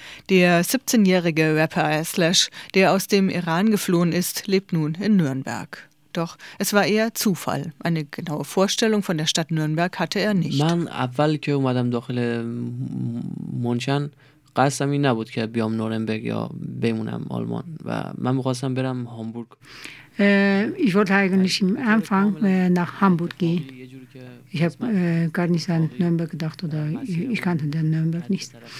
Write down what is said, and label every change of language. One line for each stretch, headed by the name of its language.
German: Der 17-jährige Rapper Slash, der aus dem Iran geflohen ist, lebt nun in Nürnberg. Doch es war eher Zufall. Eine genaue Vorstellung von der Stadt Nürnberg hatte er nicht.
Persian: من اول که اومدم داخل منشن قصدم این نبود که بیام نورنبرگ یا بمونم آلمان و من می‌خواستم برم هامبورگ.
German: Ich wollte eigentlich am Anfang nach Hamburg gehen. Ich habe gar nicht an Nürnberg gedacht oder ich kannte den Nürnberg nicht.